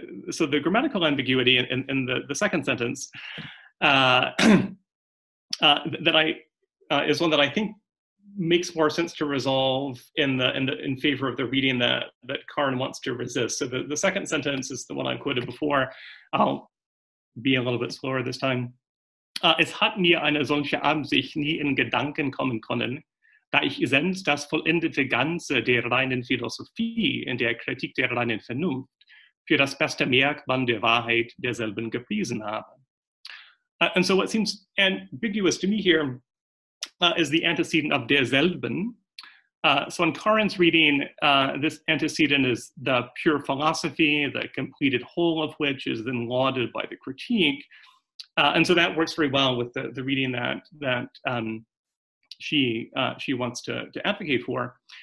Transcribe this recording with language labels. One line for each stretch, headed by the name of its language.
English: so the grammatical ambiguity in the second sentence is one that I think makes more sense to resolve in favor of the reading that Karin wants to resist. So the second sentence is the one I quoted before. I'll be a little bit slower this time.
German: Es hat mir eine solche Absicht nie in Gedanken kommen können, da ich sehend das vollendete Ganze der reinen Philosophie in der Kritik der reinen Vernunft für das beste Merkmann der Wahrheit derselben gepriesen habe.
English: And so what seems ambiguous to me here is the antecedent of derselben. So in Karin's reading, this antecedent is the pure philosophy, the completed whole of which is then lauded by the critique. And so that works very well with the reading that she wants to advocate for.